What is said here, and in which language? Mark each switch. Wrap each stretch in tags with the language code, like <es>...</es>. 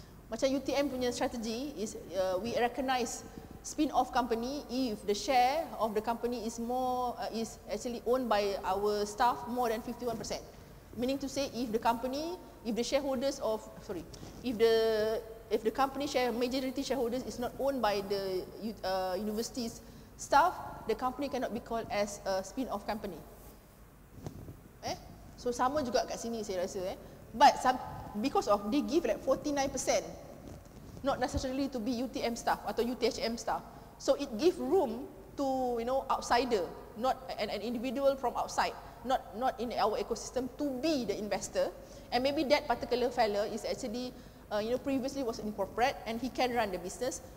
<ms>Macam UTM punya</ms> <en>strategy is we recognize spin off company if the share of the company is is actually owned by our staff more than 51%. Meaning to say, if the company share, majority shareholders is not owned by the university's staff, the company cannot be called as a spin-off company.</en> <ms>So sama juga kat sini saya rasa.</ms> <en>But because of they give like 49%, not necessarily to be UTM staff atau UTHM staff. So it give room to, you know, outsider, not an individual from outside, not in our ecosystem to be the investor. And maybe that particular fella is actually previously was in corporate and he can run the business.</en>